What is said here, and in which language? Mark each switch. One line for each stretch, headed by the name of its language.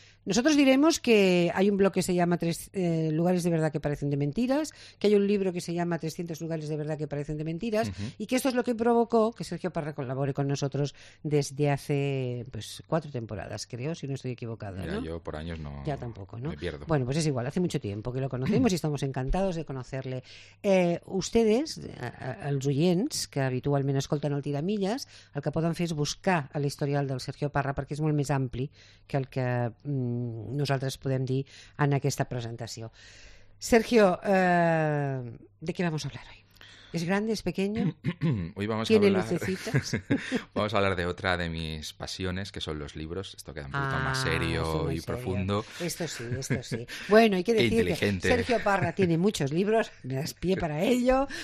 Spanish: Nosotros diremos que hay un blog que se llama Lugares de verdad que parecen de mentiras, que hay un libro que se llama 300 lugares de verdad que parecen de mentiras, y que esto es lo que provocó que Sergio Parra colabore con nosotros desde hace pues 4 temporadas, creo, si no estoy equivocada. Mira, ¿no? Yo por años no, ya tampoco, ¿no? Me pierdo. Bueno, pues es igual, hace mucho tiempo que lo conocemos y estamos encantados de conocerle.
Catalan: Ustedes, els oients, que habitualment escolten el Tiramilles, el que poden fer és buscar a l'historial del Sergio Parra, perquè és molt més ampli que el que nosaltres podem dir en aquesta presentació.
Spanish: Sergio, ¿de qué vamos a hablar hoy? ¿Es grande, es pequeño? Hoy vamos ¿tiene a hablar... lucecitas? Vamos a hablar de otra de mis pasiones, que son los libros. Esto queda un poquito más serio y profundo. Esto sí, esto sí. Bueno, hay que decir que Sergio Parra tiene muchos libros, me das pie para ello.